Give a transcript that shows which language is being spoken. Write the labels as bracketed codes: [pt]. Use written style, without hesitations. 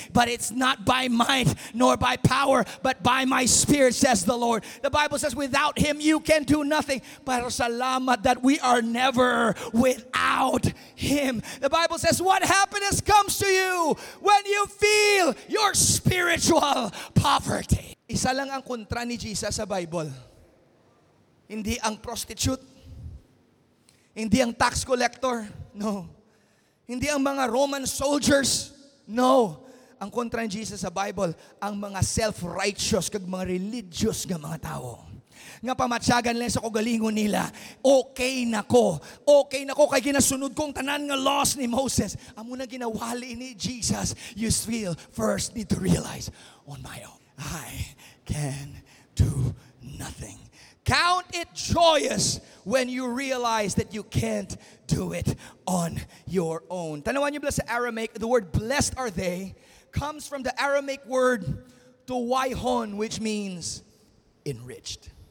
[en] But it's not by might nor by power, but by my spirit, says the Lord. The Bible says, without Him, you can do nothing. [hil] Pero salamat [en] that we are never without Him. The Bible says, what happiness comes to you when you feel your spiritual poverty. [hil] Isa lang ang kontra ni Jesus sa Bible. Hindi ang prostitute. Hindi ang tax collector. No. Hindi ang mga Roman soldiers. No. Ang kontra ni Jesus sa Bible, ang mga self-righteous, kag mga religious nga mga tao. Nga pamatsyagan lang sa kogalingon nila, okay na ko. Okay na ko kay ginasunod kong tanan nga laws ni Moses. Amo na ginawali ni Jesus, [en] you still first need to realize, on my own, I can do nothing. Count it joyous when you realize that you can't do it on your own. [hil] Tanawan niyo ba sa Aramaic, [en] the word blessed are they comes from the Aramaic word tuwaihon, which means enriched.